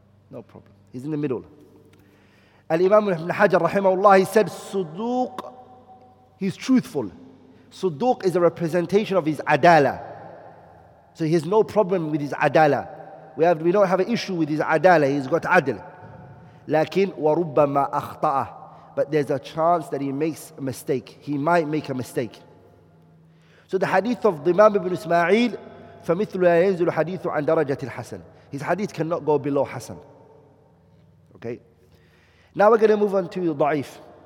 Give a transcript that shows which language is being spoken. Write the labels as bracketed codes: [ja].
[en] No problem. He's in the middle. Al-Imam ibn Hajar, rahimahullah, he said, suduq, he's truthful. Suduq is a representation of his adala. So he has no problem with his adala. We don't have an issue with his adala. He's got adil. [ar] لكن وربما أخطأ. [en] But there's a chance that he makes a mistake. He might make a mistake. So the hadith of the Imam ibn Ismail, [ar] فمثل لا ينزل حديث عن درجة الحسن. [en] His hadith cannot go below Hasan. Okay. Now we're going to move on to ضعيف.